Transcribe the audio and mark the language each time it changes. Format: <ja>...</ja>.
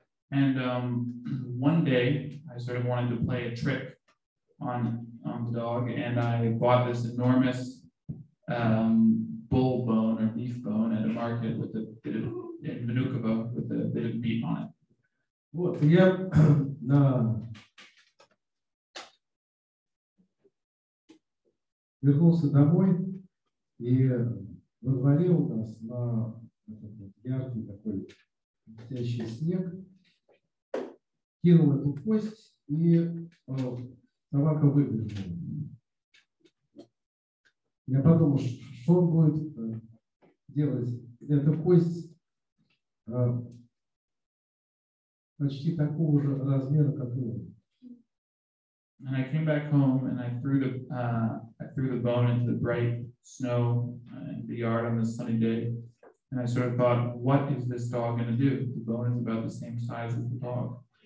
<en>And one day I sort of wanted to play a trick on the dog, and I bought this enormous bull bone or beef bone at a market with a bit of manuka bone with a bit of meat on it.</en> <ru>Вот, я на вернулся домой и во дворе у нас на яркий такой летящий снег, кинул эту кость, и собака выбежала. Я подумал, что он будет делать. Эта кость почти такого же размера, как у него.</ru> <en>And I came back home and I threw the bone into the bright snow in the yard on this sunny day. And I sort of thought, what is this dog going to do? The bone is about the same size as the dog.</en>